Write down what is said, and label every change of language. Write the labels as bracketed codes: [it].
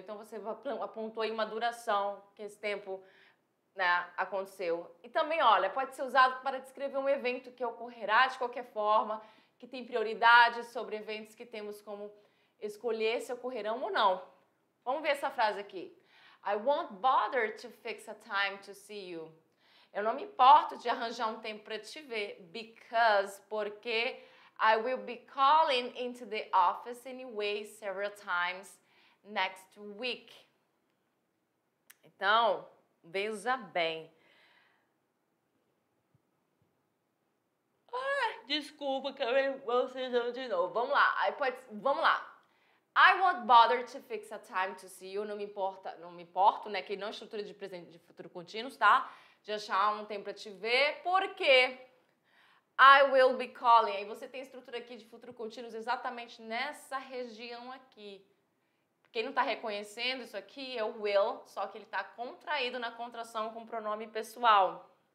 [pt] Então você apontou aí uma duração que esse tempo, né, aconteceu. E também, olha, pode ser usado para descrever um evento que ocorrerá de qualquer forma, que tem prioridade sobre eventos que temos como escolher se ocorrerão ou não. Vamos ver essa frase aqui. [en] I won't bother to fix a time to see you. [pt] Eu não me importo de arranjar um tempo para te ver, [en] because, [pt] porque, [en] I will be calling into the office anyway several times next week. [pt] Então, veja bem. Desculpa, que eu vou de novo. Vamos lá. [en] I won't bother to fix a time to see you. [pt] Não me importo, né? Que não é estrutura de presente de futuro contínuo, tá? De achar um tempo pra te ver. Por quê? [en] I will be calling. [pt] Aí você tem estrutura aqui de futuro contínuo exatamente nessa região aqui. Quem não tá reconhecendo isso aqui é o will, só que ele tá contraído na contração com o pronome pessoal.